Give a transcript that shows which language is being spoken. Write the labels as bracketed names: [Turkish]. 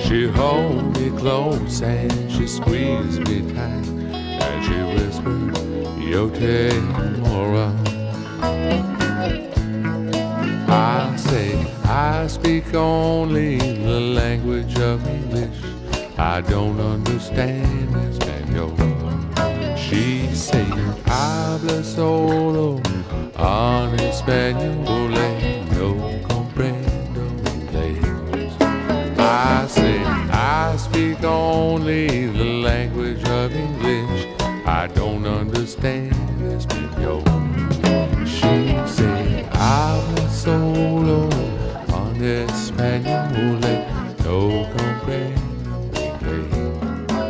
[English] She held me close, and she squeezed me tight, and she whispered, [Spanish] yo te amora. [English] I say, I speak only the language of English. I don't understand Espanol. She say, [Spanish] habla solo en español, no comprendo inglés. [English] I say, I speak only the language of English. I don't understand Espanol. She say, [Spanish] habla solo en español, no comprendo inglés.